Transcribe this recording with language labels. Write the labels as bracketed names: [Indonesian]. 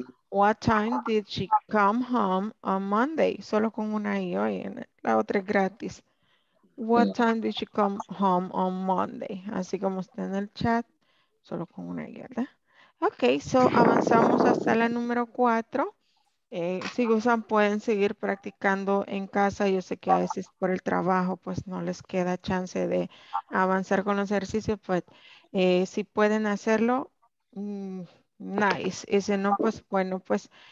[English] What time did she come home on Monday? [Spanish] Solo con una I hoy, la otra es gratis. [English] What time did she come home on Monday? [Spanish] Así como está en el chat, solo con una I, ¿verdad? Ok, so avanzamos hasta la número 4. Si gustan, pueden seguir practicando en casa. Yo sé que a veces por el trabajo, pues no les queda chance de avanzar con los ejercicios, pues si pueden hacerlo, nice. Y si no, pues bueno, pues.